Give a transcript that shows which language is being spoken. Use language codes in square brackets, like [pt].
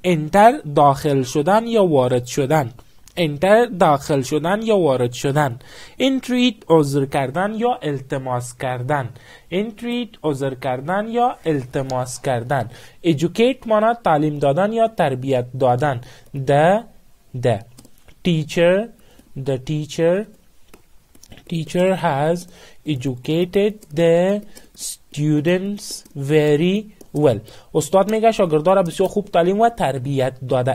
[fa] enter داخل شدن یا وارد شدن. enter داخل شدن یا وارد شدن. entreat عذر کردن یا التماس کردن. entreat عذر کردن یا التماس کردن. educate مانا تعلیم دادن یا تربیت دادن. [en] the teacher, the teacher, teacher has educated the students very well. [fa] استاد میگه شاگردان را بسیار خوب تعلیم و تربیت داده.